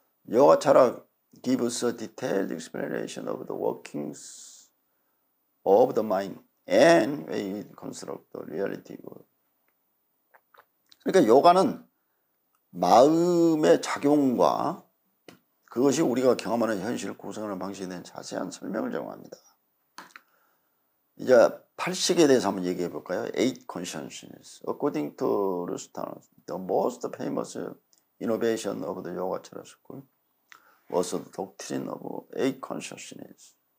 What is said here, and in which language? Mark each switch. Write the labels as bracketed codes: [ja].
[en] 요가차라 gives a detailed explanation of the workings of the mind and way it constructs the reality. [ko] 그러니까 요가는 마음의 작용과 그것이 우리가 경험하는 현실을 구성하는 방식에 대한 자세한 설명을 제공합니다. 이제 팔식에 대해서 한번 얘기해 볼까요? [en] Eight Consciousness. According to Rustano, the most famous innovation of the Yoga Chara School was the doctrine of Eight Consciousness.